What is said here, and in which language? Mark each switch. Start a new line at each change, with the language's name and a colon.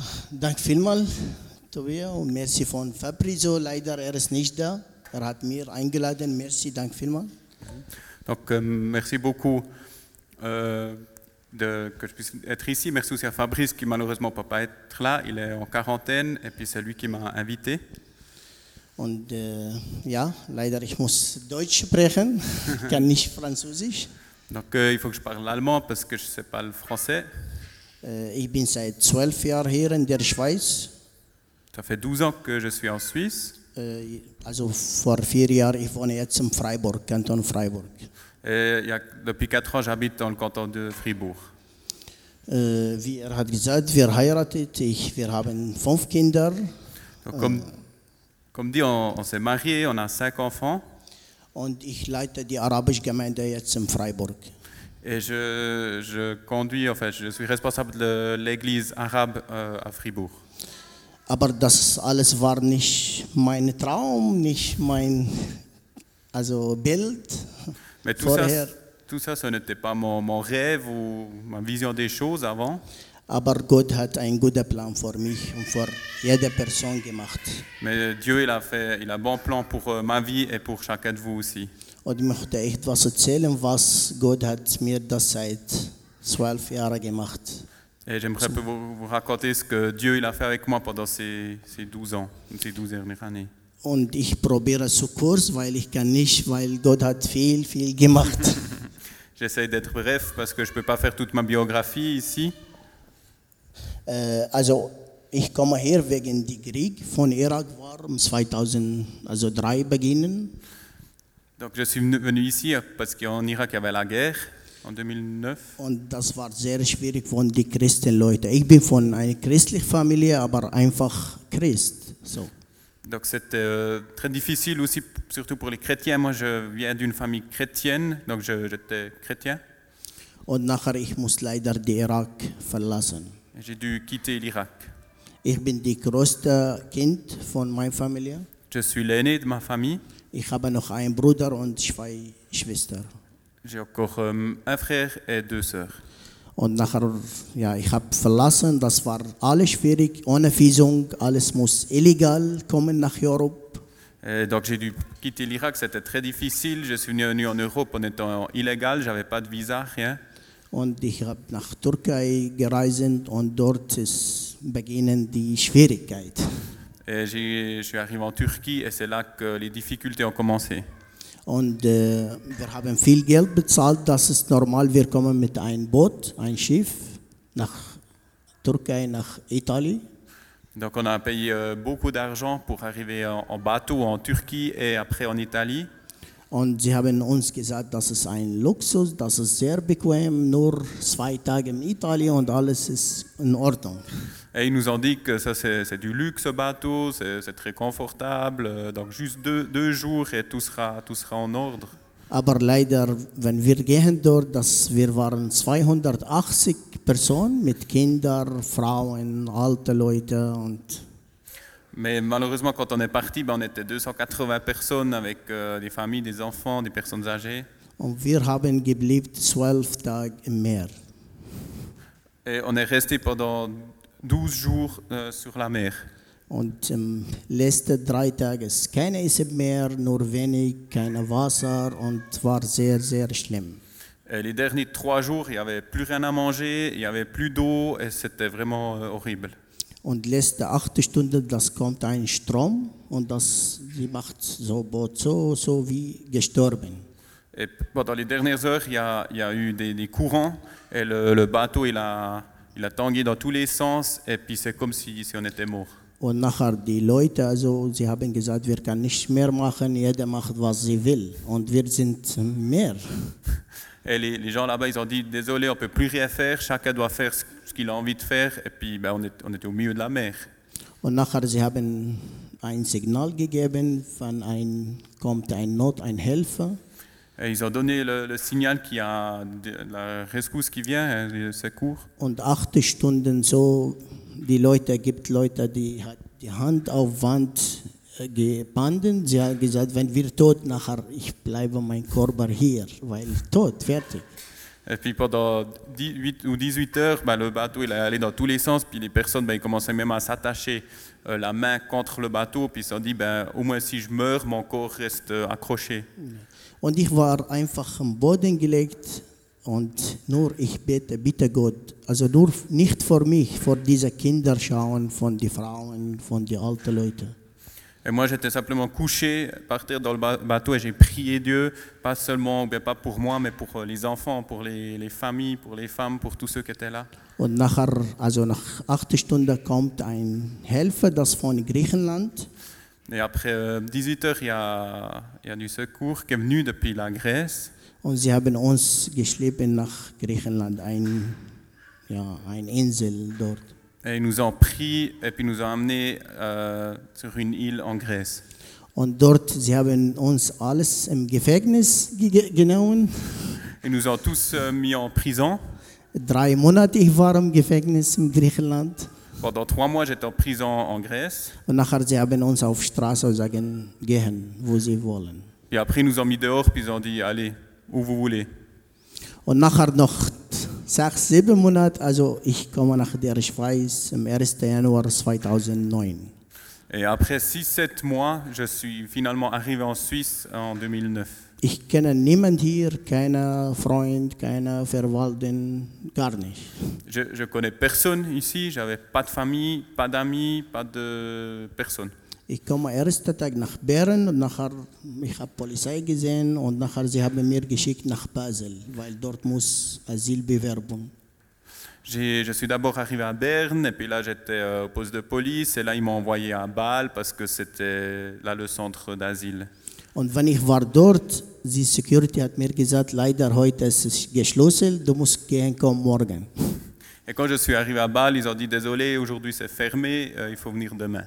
German: Dank vielmal, Tobias, und merci von Fabrizio. Leider, er ist nicht da. Er hat mir eingeladen. Merci, dank vielmal.
French: Donc, merci beaucoup que je puisse être ici. Merci aussi à Fabrice qui malheureusement ne peut pas être là. Il est en quarantaine et puis c'est lui qui m'a invité.
German: Und ja, leider, ich muss Deutsch sprechen, ich kann nicht Französisch.
French: Donc, il faut que je parle allemand parce que je ne sais pas le français.
German: Ich bin seit 12 Jahren hier in der Schweiz.
French: Ça fait 12 ans que je suis en Suisse.
German: Also vor 4 Jahren, ich wohne jetzt in Freiburg, Kanton Freiburg.
French: Et il y a, depuis 4 ans, j'habite dans le canton de Fribourg.
German: Wie er hat gesagt, wir heiratet, wir haben 5 Kinder.
French: Donc, comme dit, on s'est marié, on a 5 enfants.
German: Und ich leite die arabische Gemeinde jetzt in Freiburg.
French: Et je conduis, en fait, je suis responsable de l'église arabe à Fribourg.
German: Aber das alles war nicht mein Traum, nicht mein Bild.
French: Mais tout ça, ce n'était pas mon rêve ou ma vision des choses avant.
German: Aber Gott hat einen guten Plan für mich und für jede Person gemacht.
French: Mais Dieu, il a bon plan pour ma vie et pour chacun de vous aussi.
German: Und möchte ich etwas erzählen, was Gott hat mir das seit 12 Jahren gemacht.
French: Et j'aimerais vous raconter ce que Dieu il a fait avec moi pendant ces 12 ans, ces 12 dernières années.
German: Und ich probiere so kurz, weil ich kann nicht, weil Gott hat viel, viel gemacht.
French: J'essaie d'être bref parce que je ne peux pas faire toute ma biographie ici.
German: Also, ich komme hier wegen dem Krieg von Irak war, 2003 beginnen.
French: Donc je suis venu ici parce qu'en Irak il y avait la guerre en 2009.
German: Und das war sehr schwierig von die Christen Leute. Ich bin von einer christlichen Familie, aber einfach Christ. So.
French: Donc c'était très difficile aussi, surtout pour les chrétiens. Moi, je viens d'une famille chrétienne, donc j'étais chrétien.
German: Und nachher ich muss leider den Irak verlassen.
French: Et j'ai dû quitter l'Irak.
German: Ich bin die größte Kind von meiner Familie.
French: Je suis l'aîné de ma famille.
German: Ich habe noch einen Bruder und zwei Schwestern.
French: J'ai encore un frère et deux sœurs.
German: Und nachher, ja, ich habe verlassen, das war alles schwierig, ohne Visum, alles muss illegal kommen nach Europa.
French: Et donc j'ai dû quitter l'Irak, c'était très difficile, je suis venu en Europe en étant illégal, j'avais pas de visa, rien.
German: Und ich habe nach Türkei gereist und dort ist beginnen die Schwierigkeit.
French: Et je suis arrivé en Turquie et c'est là que les difficultés ont commencé.
German: Und wir haben viel Geld bezahlt, das ist normal, wir kommen mit einem Boot, ein Schiff nach Türkei, nach Italien.
French: Donc on a payé beaucoup d'argent pour arriver en bateau en Turquie et après en Italie.
German: Und sie haben uns gesagt, das ist ein Luxus, das ist sehr bequem, nur 2 Tage in Italien und alles ist in Ordnung.
French: Et ils nous ont dit que ça c'est du luxe ce bateau, c'est très confortable, donc juste deux jours et tout sera en ordre.
German: Aber leider, wenn wir gehen dort, dass wir waren 280 Personen mit Kindern, Frauen, alte Leute und...
French: Mais malheureusement, quand on est parti, on était 280 personnes avec des familles, des enfants, des personnes âgées.
German: Und wir haben geblieben 12 Tage mehr.
French: Et on est resté pendant 12 jours sur la mer.
German: Und letzte 3 Tage ist keine Essen mehr, nur wenig, kein Wasser und war sehr, sehr schlimm.
French: Et les derniers 3 jours, il n'y avait plus rien à manger, il n'y avait plus d'eau et c'était vraiment horrible.
German: Und letzte 8 Stunden, das kommt ein Strom und das die macht so Boot so wie gestorben.
French: Et pendant les dernières heures, il y a eu des courants et le bateau il a tangué dans tous les sens et puis c'est comme si on était mort.
German: Und nachher die Leute, also sie haben gesagt, wir können nicht mehr machen, jeder macht was sie will und wir sind mehr.
French: Et les gens là-bas, ils ont dit désolé, on peut plus rien faire, chacun doit faire ce qu'il a envie de faire et puis ben on était au milieu de la mer.
German: Und nachher sie haben ein Signal gegeben, wenn ein Helfer.
French: Et ils ont donné le signal qu'il y a la rescousse qui vient, le secours.
German: Und 8 Stunden so, die Leute gibt Leute, die hat die Hand auf Wand gebunden. Sie haben gesagt, wenn wir tot, nachher ich bleibe mein Körper hier, weil tot, fertig.
French: Et puis pendant 18 ou 18 heures, ben, le bateau il est allé dans tous les sens, puis les personnes ben, ils commençaient même à s'attacher la main contre le bateau, puis ils se sont dit, ben, au moins si je meurs, mon corps reste accroché.
German: Und ich war einfach am Boden gelegt und nur ich bete, bitte Gott, also nur nicht vor mich, vor diese Kinder schauen, von den Frauen, von den alten Leuten.
French: Et moi j'étais simplement couché par terre dans le bateau et j'ai prié Dieu, pas seulement, ou bien pas pour moi, mais pour les enfants, pour les familles, pour les femmes, pour tous ceux qui étaient là.
German: Und nachher, also nach 8 Stunden kommt ein Helfer, das von Griechenland.
French: Et après 18 heures, il y a du secours qui est venu depuis la Grèce.
German: Und sie haben uns geschleppt nach Griechenland, eine Insel dort.
French: Et ils nous ont pris et puis nous ont amenés sur une île en Grèce.
German: Und dort, sie haben uns alles im Gefängnis genommen.
French: Ils nous ont tous mis en prison.
German: 3 Monate ich war im Gefängnis in Griechenland.
French: Pendant 3 mois, j'étais en prison en Grèce.
German: Und nachher, sie haben uns auf Straße sagen, gehen, wo sie wollen.
French: Et après, ils nous ont mis dehors, puis ils ont dit, allez, où vous voulez.
German: Und nachher noch 6-7 Monate, also ich komme nach der Schweiz am 1. Januar 2009.
French: Et après 6-7 mois, je suis finalement arrivé en Suisse en 2009.
German: Ich kenne niemand hier, keine Freund, keine Verwandten, gar nicht.
French: Je connais personne ici, j'avais pas de famille, pas d'amis, pas de personne.
German: Ich komme ersten Tag nach Bern und nachher ich habe Polizei gesehen und nachher sie haben mir geschickt nach Basel, weil dort muss Asyl bewerben.
French: Je suis d'abord arrivé à Berne et puis là j'étais au poste de police et là ils m'ont envoyé à Bâle parce que c'était là le centre d'asile.
German: Und wenn ich war dort, die Security hat mir gesagt, leider heute ist es geschlossen, du musst gehen kommen morgen.
French: Et quand je suis arrivé à Bâle, ils ont dit, désolé, aujourd'hui c'est fermé, il faut venir demain.